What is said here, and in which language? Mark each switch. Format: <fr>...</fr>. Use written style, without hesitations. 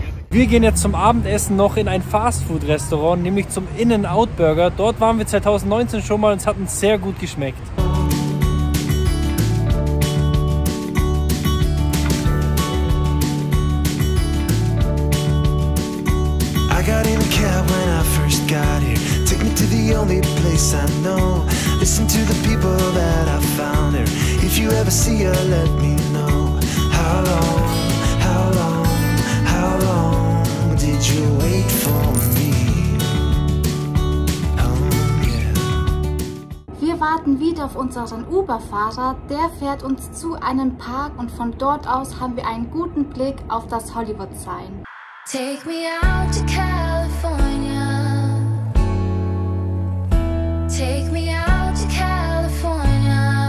<de>Wir gehen jetzt zum Abendessen noch in ein Fastfood-Restaurant, nämlich zum In-N-Out Burger. Dort waren wir 2019 schon mal und es hat uns sehr gut geschmeckt.</de> <en>I got in a cab when I first got here. Took me to the only place I know. Listen to the people that I found there. If you ever see her, let me know. How long, how long, how long did you wait for me? Oh, yeah.</en> <de>Wir warten wieder auf unseren Uber-Fahrer. Der fährt uns zu einem Park und von dort aus haben wir einen guten Blick auf das Hollywood-Sign.</de> <en>Take me out to California. Take me out to California.</en>